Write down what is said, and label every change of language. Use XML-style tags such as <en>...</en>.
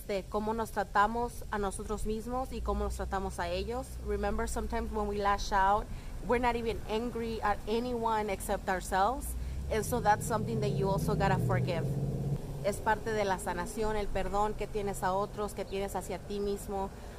<es>Cómo nos tratamos a nosotros mismos y cómo nos tratamos a ellos.</es> <en>Remember sometimes when we lash out, we're not even angry at anyone except ourselves. And so that's something that you also gotta forgive.</en> <es>Es parte de la sanación, el perdón que tienes a otros, que tienes hacia ti mismo.</es>